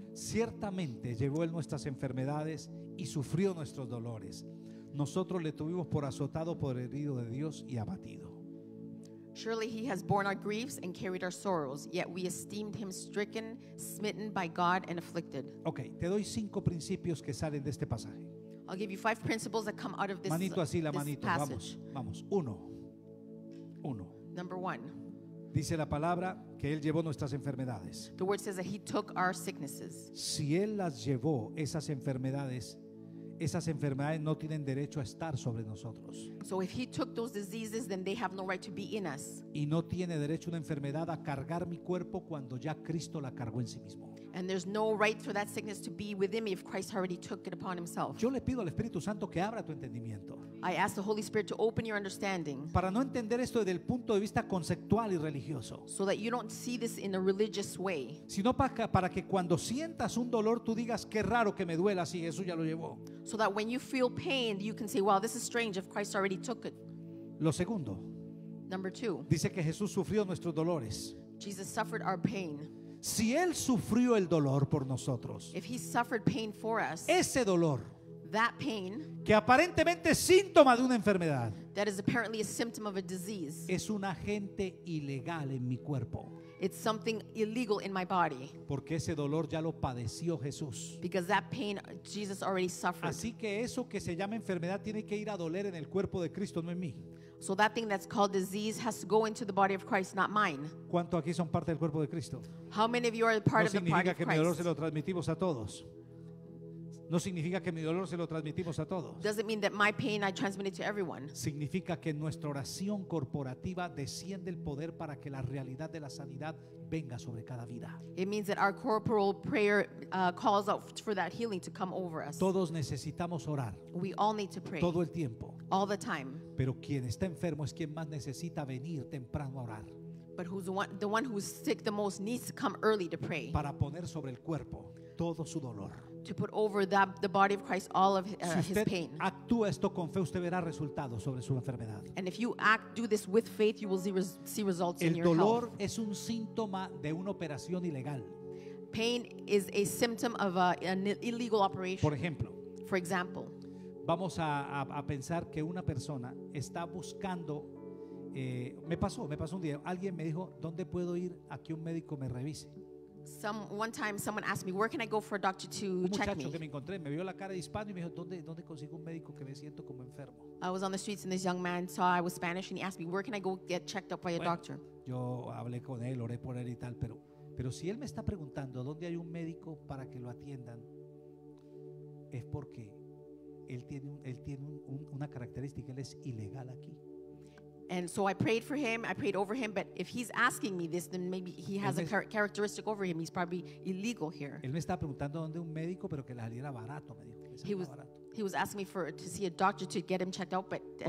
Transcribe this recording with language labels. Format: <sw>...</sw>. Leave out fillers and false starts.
<es>Ciertamente llevó él nuestras enfermedades y sufrió nuestros dolores. Nosotros le tuvimos por azotado, por herido de Dios y abatido.</es> <en>Surely he has borne our griefs and carried our sorrows, yet we esteemed him stricken, smitten by God and afflicted.</en> <es>Okay, te doy cinco principios que salen de este pasaje.</es> <en>I'll give you five principles that come out of this,</en> <es>manito así, la</es> <en>this</en> <es>manito.</es> <en>Passage.</en> <es>Vamos. Uno.</es> <en>Number one.</en> <es>Dice la palabra que él llevó nuestras enfermedades.</es> <en>The word says that he took our sicknesses.</en> <es>Si él las llevó, esas enfermedades no tienen derecho a estar sobre nosotros.</es> <en>So if he took those diseases, then they have no right to be in us.</en> <es>Y no tiene derecho una enfermedad a cargar mi cuerpo cuando ya Cristo la cargó en sí mismo.</es> <en>And there's no right for that sickness to be within me if Christ already took it upon himself.</en> <es>Yo le pido al Espíritu Santo que abra tu entendimiento.</es> <en>I ask the Holy Spirit to open your understanding.</en> <es>Para no entender esto desde el punto de vista conceptual y religioso.</es> <en>So that you don't see this in a religious way.</en> <es>Sino para que cuando sientas un dolor tú digas, qué raro que me duela, si Jesús ya lo llevó.</es> <en>So that when you feel pain you can say, wow, this is strange if Christ already took it.</en> <es>Lo segundo.</es> <en>Number two.</en> <es>Dice que Jesús sufrió nuestros dolores.</es> <en>Jesus suffered our pain.</en> <es>Si Él sufrió el dolor por nosotros,</es> <en>if he suffered pain for us,</en> <es>ese dolor,</es> <en>that pain,</en> <es>que aparentemente es síntoma de una enfermedad,</es> <en>that is apparently a symptom of a disease,</en> <es>es un agente ilegal en mi cuerpo.</es> <en>It's something illegal in my body.</en> <es>Porque ese dolor ya lo padeció Jesús.</es> <en>Because that pain Jesus already suffered.</en> <es>Así que eso que se llama enfermedad tiene que ir a doler en el cuerpo de Cristo, no en mí.</es> <en>So that thing that's called disease has to go into the body of Christ, not mine.</en> <es>¿Cuánto aquí son parte del cuerpo de Cristo?</es> <en>How many of you are part of the body of Christ?</en> <es>No significa que mi dolor se lo transmitimos a todos. No significa que mi dolor se lo transmitimos a todos.</es> <en>Doesn't mean that my pain I transmit it to everyone.</en> <es>Significa que en nuestra oración corporativa desciende el poder para que la realidad de la sanidad venga sobre cada vida.</es> <en>It means that our corporal prayer calls out for that healing to come over us.</en> <es>Todos necesitamos orar.</es> <en>We all need to pray.</en> <es>Todo el tiempo.</es> <en>All the time.</en> <es>Pero quien está enfermo es quien más necesita venir temprano a orar.</es> <en>But who's the one who's sick the most needs to come early to pray.</en> <es>Para poner sobre el cuerpo todo su dolor.</es> <en>To put over the body of Christ all of his pain.</en> <es>Si usted actúa esto con fe, usted verá resultados sobre su enfermedad.</es> <en>And if you act, do this with faith, you will see results in your health.</en> <es>El dolor es un síntoma de una operación ilegal.</es> <en>Pain is a symptom of an illegal operation.</en> <es>Por ejemplo.</es> <en>For example.</en> <es>Vamos a pensar que una persona está buscando. Me pasó un día. Alguien me dijo, ¿dónde puedo ir a que un médico me revise?</es> <en>One time someone asked me, where can I go for a doctor to check me?</en> <es>Un muchacho que me encontré, me vio la cara de hispano y me dijo, ¿dónde consigo un médico que me siento como enfermo?</es> <en>I was on the streets and this young man saw I was Spanish and he asked me, where can I go get checked up by a doctor?</en> <es>Yo hablé con él, oré por él y tal, pero si él me está preguntando dónde hay un médico para que lo atiendan, es porque él tiene una característica, él es ilegal aquí.</es> <en>And so I prayed over him, but if he's asking me this, then maybe he has a characteristic over him. He's probably illegal here.</en> <es>Él me estaba preguntando dónde un médico, pero que le saliera barato, me dijo.</es> <en>He was asking me to see a doctor to get him checked out, but that's cheap.</en>